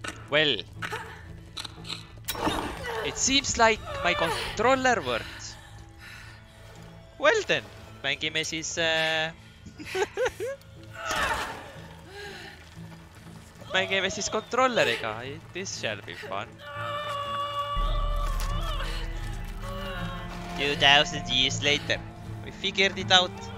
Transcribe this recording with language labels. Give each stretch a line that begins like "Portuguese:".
English: Well, it seems like my controller worked. Well then,
Estonian: mängime siis mängime siis kontrolleriga.
English: This shall be fun. 2000 years later, we figured it out.